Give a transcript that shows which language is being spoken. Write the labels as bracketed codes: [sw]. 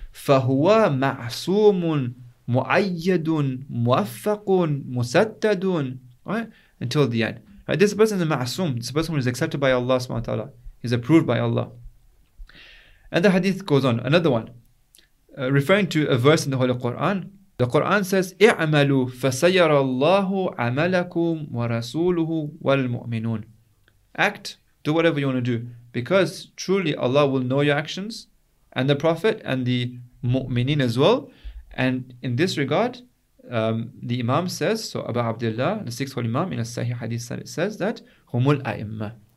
[ar] فَهُوَ مَعْصُومٌ مُعَيَّدٌ مُوَفَّقٌ مُسَدَّدٌ. [en] Right? Until the end. Right? This person is a ma'asum. This person is accepted by Allah subhanahu wa ta'ala. He's approved by Allah. And the hadith goes on. Another one. Referring to a verse in the Holy Quran. The Quran says, [ar] اِعْمَلُوا فَسَيَّرَ اللَّهُ عَمَلَكُمْ وَرَسُولُهُ وَالْمُؤْمِنُونَ. [en] Act. Do whatever you want to do. Because truly Allah will know your actions. And the Prophet and the mu'mineen as well. And in this regard, the Imam says, so Abu Abdullah, the sixth Holy Imam in a Sahih Hadith, says that humul a'immah.